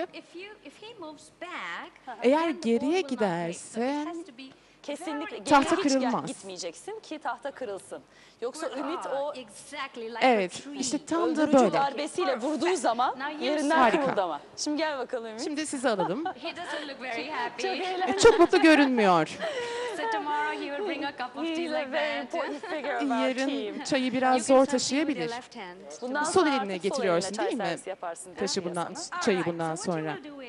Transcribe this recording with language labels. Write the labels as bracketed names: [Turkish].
[English] If he moves back. [Turkish] Eğer geriye gidersen kesinlikle tahta kırılmaz. Gitmeyeceksin ki tahta kırılsın. Yoksa ümit o. Evet, işte tam da böyle. Öldürücü darbesiyle vurduğu zaman yerinden kırıldı ama. Şimdi gel bakalım. Şimdi sizi alalım. [English] He doesn't look very happy. [Turkish] Çok mutlu görünmüyor. [English] So tomorrow he will bring a cup of tea like that. [Turkish] Yarın çayı biraz zor taşıyabilir. Sol elinle getiriyorsun değil mi? Taşı bundan, çayı bundan sonra.